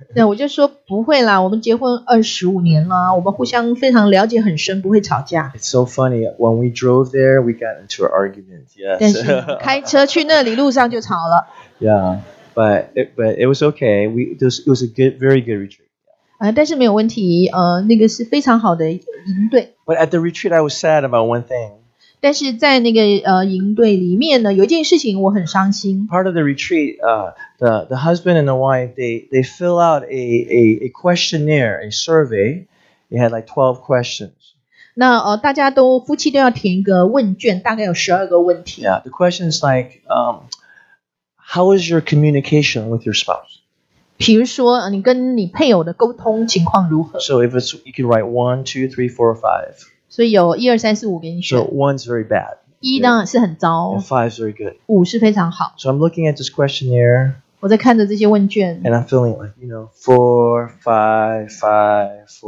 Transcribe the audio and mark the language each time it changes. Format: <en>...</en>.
<zh>那我就说不会啦，我们结婚25年了，我们互相非常了解很深，不会吵架。</zh> <en>It's so funny when we drove there, we got into an argument. Yes.</en> <zh>但是开车去那里路上就吵了。</zh> <en>Yeah, but it was okay. It was a good, very good retreat.</en> <zh>但是没有问题。那个是非常好的营队。</zh> <en>But at the retreat, I was sad about one thing.</en> <zh>但是在那个营队里面呢，有一件事情我很伤心。</zh> <en>Part of the retreat, The husband and the wife, they fill out a questionnaire, a survey. It had like 12 questions.</en> <zh>那大家都夫妻都要填一个问卷，大概有12个问题。</zh> <en>Yeah, the questions like, how is your communication with your spouse?</en> <zh>比如说你跟你配偶的沟通情况如何？</zh> <en>So if it's, you can write 1, 2, 3, 4, 5.</en> <zh>所以有一二三四五给你选。</zh> <en>So 1's very bad.</en> <zh>一当然是很糟。</zh> <en>And 5's very good.</en> <zh>五是非常好。</zh> <en>So I'm looking at this questionnaire.</en> <zh>我在看着这些问卷</zh> <en>，and I'm feeling like you know 4, 5, 5, 4.</en>